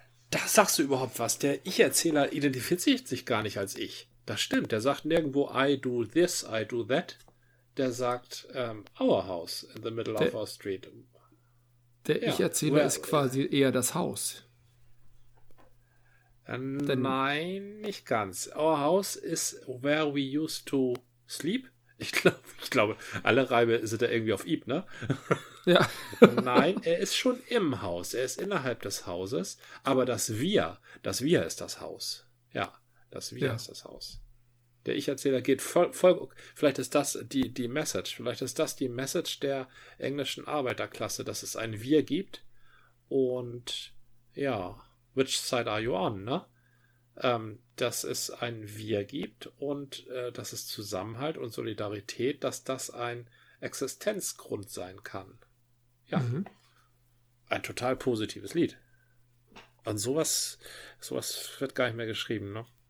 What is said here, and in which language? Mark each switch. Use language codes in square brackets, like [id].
[de] Da sagst du überhaupt was. Der Ich-Erzähler identifiziert sich gar nicht als Ich. Das stimmt. Der sagt nirgendwo, [en] I do this, I do that. [de] Der sagt, [en] our house in the middle of our street. [de] Der Ich-Erzähler ist quasi eher das Haus. Nein, nicht ganz. [en] Our house is where we used to sleep? [de] Ich glaube, alle Reime sind da irgendwie auf Ib, ne? Ja. Nein, er ist schon im Haus. Er ist innerhalb des Hauses. Aber das Wir ist das Haus. Ja, das Wir ist das Haus. Der Ich-Erzähler geht voll. Vielleicht ist das die Message. Vielleicht ist das die Message der englischen Arbeiterklasse, dass es ein Wir gibt. Und ja, [en] which side are you on, [de] ne? Dass es ein Wir gibt und dass es Zusammenhalt und Solidarität, dass das ein Existenzgrund sein kann. Ja. Mhm. Ein total positives Lied. Und sowas wird gar nicht mehr geschrieben, ne?